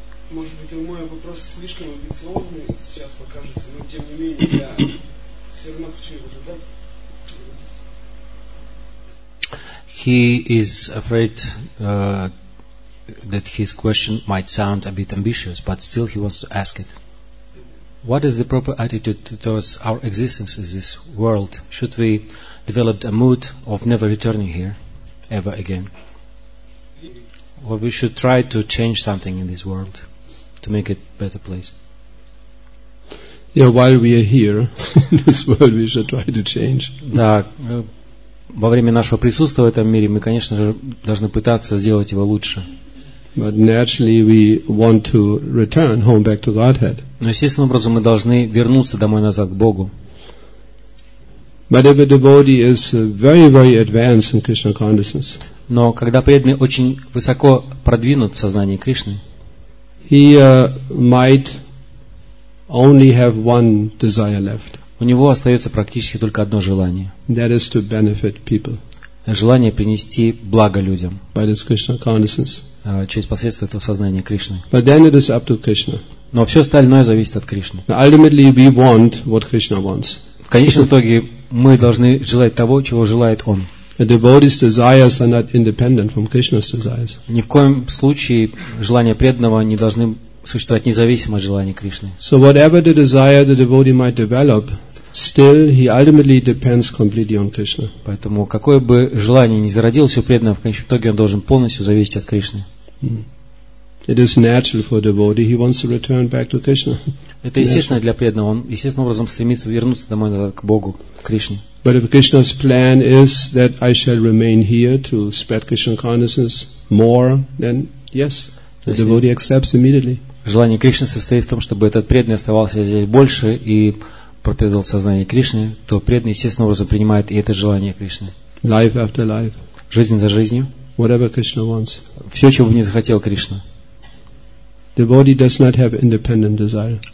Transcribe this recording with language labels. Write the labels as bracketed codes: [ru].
[ru] Может быть, мой вопрос слишком амбициозный сейчас покажется, но тем не менее я все равно хочу его задать. [en] He is afraid that his question might sound a bit ambitious, but still he wants to ask it. What is the proper attitude towards our existence in this world? Should we develop a mood of never returning here ever again? Or we should try to change something in this world to make it a better place? Yeah, while we are here in this world, we should try to change. [ru] Да, во время нашего присутствия в этом мире мы, конечно же, должны пытаться сделать его лучше. [en] But naturally we want to return home back to Godhead. [ru] Но естественным образом мы должны вернуться домой назад к Богу. [en] But if a devotee is very, very advanced in Krishna consciousness. [ru] Но когда преданный очень высоко продвинут в сознании Кришны, [en] he might only have one desire left. [ru] У него остается практически только одно желание. [en] That is to benefit people. [ru] Желание принести благо людям. [en] By this Krishna consciousness. [ru] Через посредство этого сознания Кришны. [en] But then it is up to Krishna. [ru] Но все остальное зависит от Кришны. [en] Ultimately we want what Krishna wants. [ru] В конечном итоге мы должны желать того, чего желает Он. [en] A devotee's desires are not independent from Krishna's desires. [ru] Ни в коем случае желания преданного не должны существовать независимо от желания Кришны. [en] So whatever the desire the devotee might develop, still he ultimately depends completely on Krishna. [ru] Поэтому какое бы желание ни зародилось у преданного, в конечном итоге он должен полностью зависеть от Кришны. [en] It is natural for a devotee, he wants to return back to Krishna. [ru] Это естественно для преданного, он естественным образом стремится вернуться домой назад к Богу, к Кришне. [en] But if Krishna's plan is that I shall remain here to spread Krishna consciousness more, then yes, the devotee accepts immediately. [ru] Желание Кришны состоит в том, чтобы этот преданный оставался здесь больше и проповедовал сознание Кришны, то преданный естественным образом принимает и это желание Кришны. [en] Life after life. [ru] Жизнь за жизнью. [en] whatever Krishna wants. [ru] Все, чего бы не захотел Кришна. [en] The body does not have independent desire.